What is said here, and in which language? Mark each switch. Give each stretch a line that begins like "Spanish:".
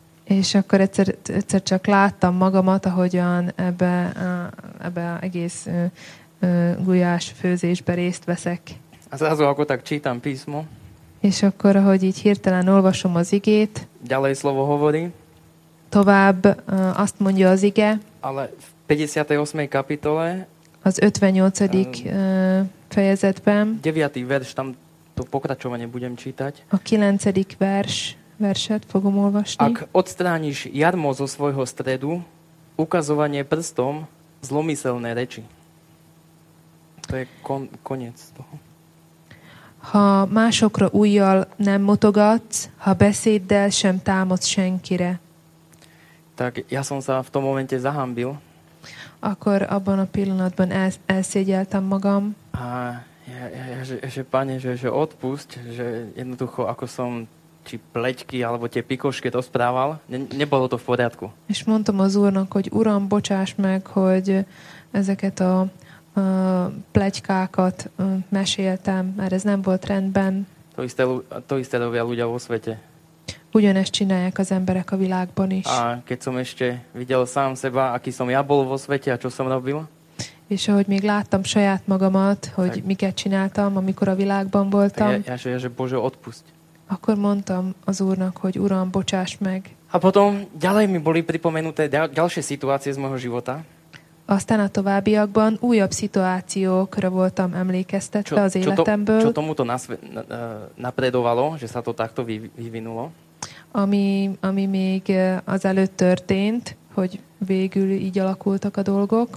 Hungarian: És akkor egyszer csak láttam magamat, ahogyan ebbe egész gulyás főzésbe részt veszek.
Slovak: A zrazu ako tak čítam písmo.
Hungarian: És akkor, ahogy így hirtelen olvasom az igét.
Slovak: Ďalej slovo hovorí.
Hungarian: Tovább azt mondja az ige.
Slovak: Ale v 58. kapitole.
Hungarian: Az 58. fejezetben.
Slovak: 9. verš, tam to pokračovanie budem čítať.
Hungarian: A 9. verset fogom olvasni.
Slovak: Ak odstrániš jarmo zo svojho stredu, ukazovanie prstom zlomyselné reči. To je koniec toho.
Hungarian: Ha másokra ujjal nem motogatsz, ha beszéddel sem támadsz senkire.
Slovak: Tak ja som sa v tom momente zahambil.
Hungarian: Akkor abban a pillanatban elszégyeltem magam.
Slovak: A ja, že pane, že odpust, že jednoducho ako som či pleťky alebo tie pikošky to správal, nebolo to v poriadku.
Hungarian: És mondtam az úrnak, hogy uram, bocsáss meg, hogy ezeket a pleťkákat meséltem, mert ez nem volt rendben.
Slovak: To isté robia ľudia vo svete.
Hungarian: Ugyanezt csinálják az emberek a világban is.
Slovak: A keď som ešte videl sám seba, aký som ja bol vo svete a čo som robil.
Hungarian: És ahogy még láttam saját magamat, hogy tak. Miket csináltam, amikor a világban voltam.
Slovak: Ja, Bože, odpusť.
Hungarian: Akkor mondtam az úrnak, hogy uram, bocsáss meg.
Slovak: A potom ďalej mi boli pripomenuté ďalšie situácie z môjho života.
Hungarian: Aztán a továbbiakban újabb szituációkra voltam emlékeztetve az életemből.
Slovak: Čo tomuto napredovalo, že sa to takto vyvinulo?
Hungarian: Ami még azelőtt történt, hogy végül így alakultak a dolgok.